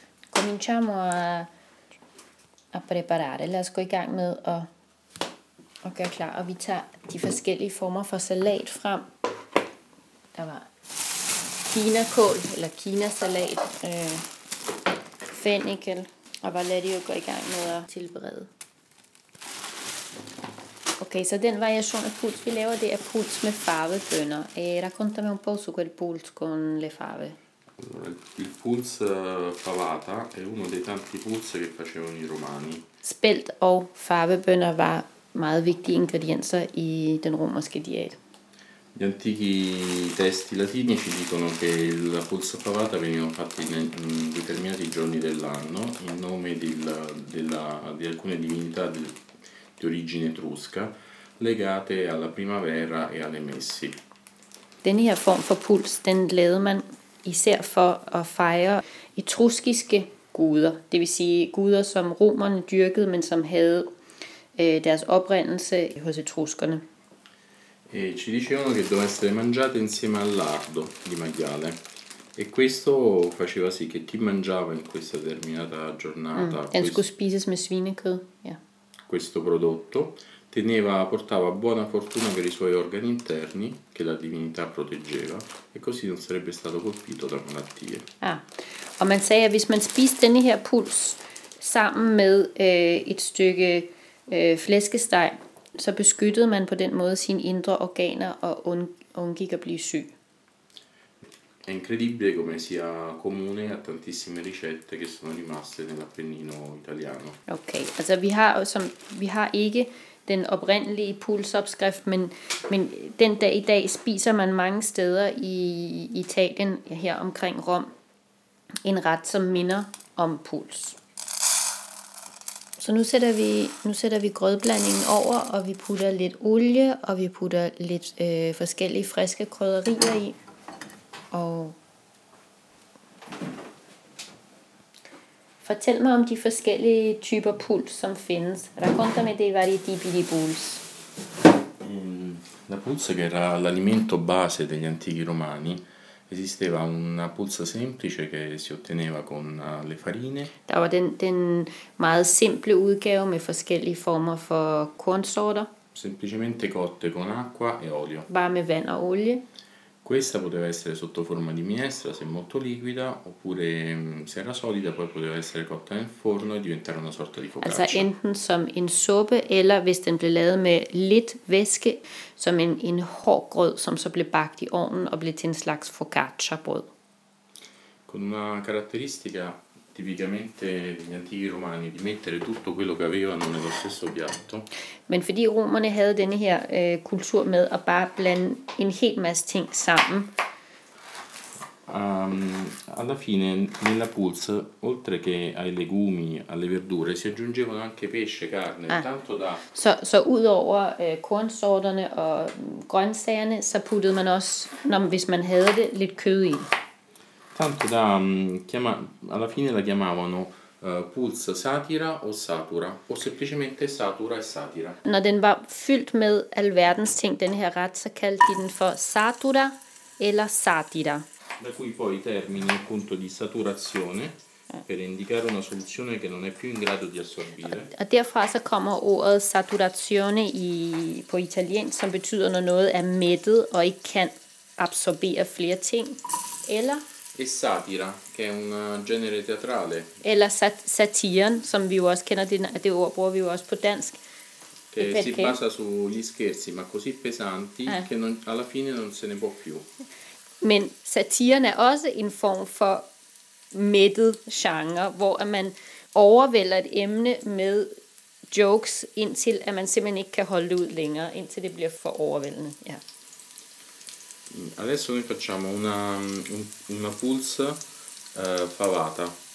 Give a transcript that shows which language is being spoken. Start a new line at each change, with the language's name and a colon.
Italian: Cominciamo a preparare.
Danish: Lad os gå i gang med at gøre klar. Og vi tager de forskellige former for salat frem. Der var kinakål eller kinasalat, fennikel. Og bare lad det jo gå i gang med at tilberede. Okay, så den variation af puls, vi laver, det er puls med farvebønner.
Italian: Raccontami un po' su quel puls con le fave. Il puls favata è uno dei tanti puls che facevano i romani.
Danish: Spelt og farvebønner var meget vigtige ingredienser i den romerske diæt.
Italian: Gli antichi testi latini ci dicono che il puls favata veniva fatto in determinati giorni dell'anno in nome di alcune divinità di origine etrusca legate alla primavera e alle messi.
Danish: Denne her form for puls, den lavede man især for at fejre etruskiske guder, det vil sige guder, som romerne dyrkede, men som havde deres oprindelse hos etruskerne.
Italian: E ci dicevano che doveva essere mangiata insieme al lardo di maiale. E questo faceva sì che chi mangiava in questa determinata giornata
Danish: Den skulle spises med svinekød, ja.
Italian: Questo prodotto portava buona fortuna per i suoi organi interni che la divinità proteggeva e così non sarebbe stato colpito da malattie. Ah.
Danish: Og man sagde, at hvis man spiste denne her puls sammen med et stykke flæskesteg, så beskyttede man på den måde sine indre organer og undgik at blive syg.
Italian: È incredibile come sia comune a tantissime ricette che sono rimaste nell'Appennino italiano.
Danish: Okay, altså vi har ikke den oprindelige pulsopskrift, men den dag i dag spiser man mange steder i Italien her omkring Rom en ret, som minder om puls. Så nu sætter vi grødblandingen over, og vi putter lidt olie, og vi putter lidt forskellige friske krydderier i. Og fortæl mig om de forskellige typer puls, som findes.
Italian: Raccontami dei vari tipi di puls. La puls, che era l'alimento base degli antichi romani, esisteva una puls semplice che si otteneva con le farine.
Danish: Der var den meget simple udgave med forskellige former for kornsorter.
Italian: Semplicemente cotte con acqua e olio.
Danish: Bare med vand og olie.
Italian: Questa poteva essere sotto forma di minestra, se molto liquida, oppure se era solida, poi poteva essere cotta nel forno e diventare una sorta di focaccia.
Danish: Altså enten som en suppe, eller hvis den blev lavet med lidt væske, som en hård grød, som så blev bagt i ovnen og blev til en slags focaccia-brød.
Italian: Con una caratteristica tipicamente degli antichi romani, di mettere tutto quello che avevano nello stesso piatto.
Danish: Men fordi romerne havde denne her kultur med at bare blande en hel masse ting sammen.
Italian: Alla fine, nella puls, oltre che ai legumi, alle verdure, si aggiungevano anche pesce, carne, tanto da...
Danish: Så ud over kornsorterne og grøntsagerne, så puttede man også, hvis man havde det, lidt kød i.
Italian: Tanto da alla fine la chiamavano puls satira o satura, o semplicemente satura e satira.
Danish: Når den var fyldt med alverdens ting, den her ret, så kaldte de den for satura eller satira.
Italian: Da cui poi termini appunto di saturazione, per indicare una soluzione che non è più in grado di assorbire.
Danish: Og derfra så kommer ordet saturazione på italiensk, som betyder, når noget er mættet og ikke kan absorbere flere ting, eller...
Italian: E satira, che è un genere teatrale.
Danish: Eller satiren, som vi jo også kender det ord, bruger vi jo også på dansk.
Italian: Che si basa sugli scherzi, ma così pesanti, che non, alla fine non se ne può più.
Danish: Men satiren er også en form for mættet genre, hvor man overvælder et emne med jokes, indtil at man simpelthen ikke kan holde ud længere, indtil det bliver for overvældende. Ja.
Italian: Adesso noi facciamo una pulsa favata.